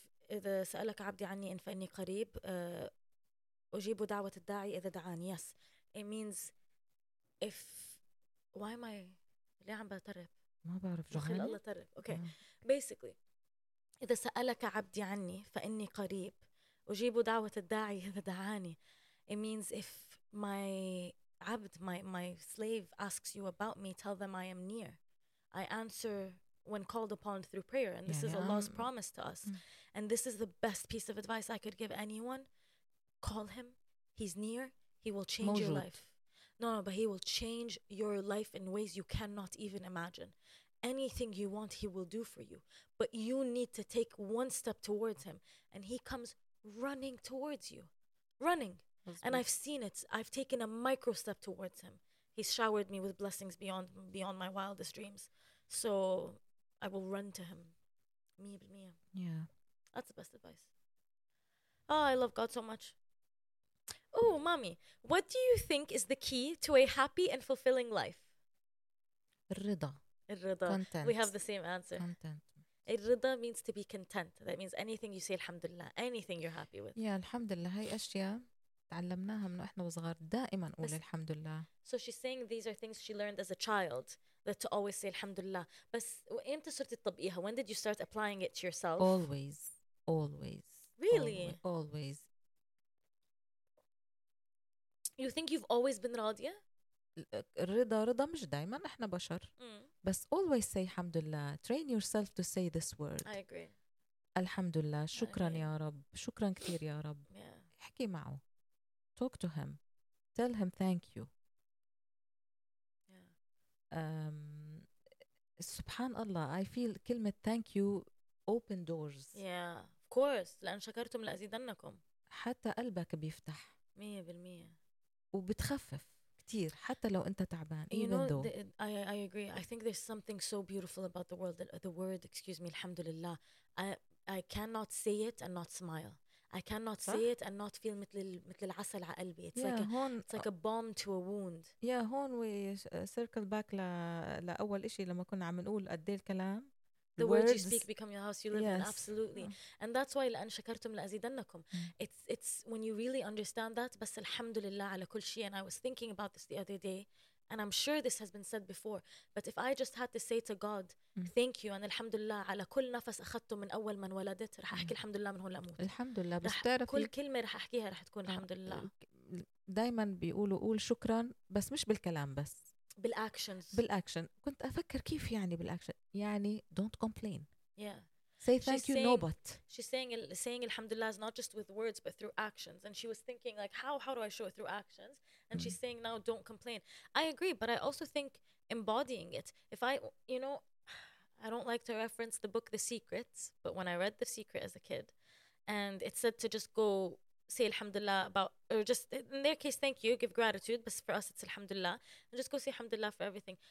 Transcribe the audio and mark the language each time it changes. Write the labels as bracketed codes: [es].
[ar] إذا سألك عبدي عني إن فإني قريب أجيب دعوة الداعي إذا دعاني. [en] Yes, it means if, why am I, [ar] ليه عم بترب؟ ما بعرف جهاني. خل الله ترب. [en] Okay, basically, [ar] إذا سألك عبدي عني فإني قريب أجيب دعوة الداعي إذا دعاني. [en] It means if my عبد, my slave asks you about me, tell them I am near. I answer when called upon through prayer. And this is Allah's promise to us. And this is the best piece of advice I could give anyone. Call him. He's near. He will change your life. No, but he will change your life in ways you cannot even imagine. Anything you want, he will do for you. But you need to take one step towards him. And he comes running towards you. Running. And I've seen it. I've taken a micro step towards him. He's showered me with blessings beyond my wildest dreams. So I will run to him. Yeah. That's the best advice. Oh, I love God so much. Oh, mommy, what do you think is the key to a happy and fulfilling life? Rida. Rida. Content. We have the same answer. Content. الرضا means to be content. That means anything you say alhamdulillah. Anything you're happy with. Yeah, alhamdulillah. [ar] هاي أشياء تعلمناها من إحنا وصغار دائما قول الحمدلله. [en] So she's saying these are things she learned as a child, that to always say alhamdulillah. [ar] بس إمتى صرت تطبقيها? [en] When did you start applying it to yourself? Always. Always. Really? Always. You think you've always been راضية? [ar] الرضا مش دائما, احنا بشر. بس [en] always say alhamdulillah. Train yourself to say this word. I agree. [ar] Alhamdulillah. شكرا يا رب. شكرا كثير يا رب. [en] Yeah. [ar] حكي معه. [en] Talk to him. Tell him thank you. Yeah. [ar] سبحان الله. [en] I feel كلمة thank you open doors. Yeah. Of course. [ar] لأن شكرتم لأزيدنكم. حتى قلبك بيفتح. 100%. وبتخفف. كتير حتى لو انت تعبان. [en] You know, I agree. I think there's something so beautiful about the word, the word, excuse me, alhamdulillah. I cannot say it and not smile. I cannot say it and not feel [ar] مثل العسل على قلبي. [en] It's like a balm to a wound. Yeah, [ar] هون [en] we circle back [ar] لأول إشي لما كنا عم نقول قد ايه الكلام. [en] The words you speak become your house you live in. Absolutely. And that's why [ar] لأن شكرتم لأزيدنكم. [en] It's when you really understand that. [ar] بس الحمد لله على كل شيء. [en] And I was thinking about this the other day. And I'm sure this has been said before. But if I just had to say to God, thank you and [ar] الحمد لله على كل نفس أخذته من أول من ولدت, رح أحكي الحمد لله من هون لأموت. الحمد لله. بس تعرف كل كلمة رح أحكيها رح تكون الحمد لله. دايما بيقولوا قول شكرا, بس مش بالكلام بس. بالأكشن. كنت أفكر كيف يعني بالأكشن. [en] يعني don't complain. Yeah. Say thank you, no but. She's saying الحمد لله is not just with words but through actions. And she was thinking like how do I show it through actions? And she's saying now don't complain. I agree, but I also think embodying it. If I, you know, I don't like to reference the book The Secret, but when I read The Secret as a kid, and it said to just go say alhamdulillah about, or just in their case thank you, give gratitude, but for us it's alhamdulillah, and just go say alhamdulillah for everything.